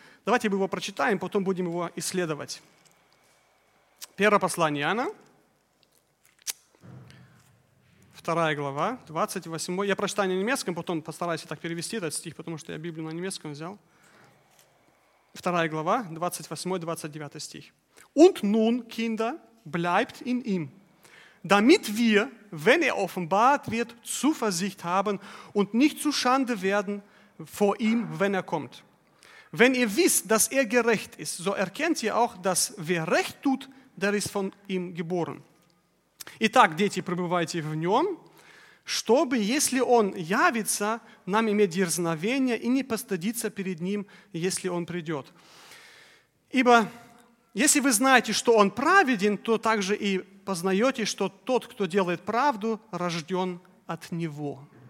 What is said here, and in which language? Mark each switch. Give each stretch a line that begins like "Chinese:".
Russian: Давайте мы его прочитаем, потом будем его исследовать. Первое послание Иоанна, 2 глава, 28. Я прочитаю на немецком, потом постараюсь так перевести этот стих, потому что я Библию на немецком взял. 2 глава, 28-29 стих.
German: «Und nun, Kinder, bleibt in ihm, damit wir, wenn er offenbart wird, Zuversicht haben und nicht zu Schande werden vor ihm, wenn er kommt. Wenn ihr wisst, dass er gerecht ist, so erkennt ihr auch, dass wer recht tut, der ist von ihm geboren.
Russian: Итак, дети, пребывайте в нем, чтобы, если он явится, нам иметь дерзновение и не постыдиться перед ним, если он придет. Ибо если вы знаете, что он праведен, то также и познаете, что тот, кто делает правду, рожден от него».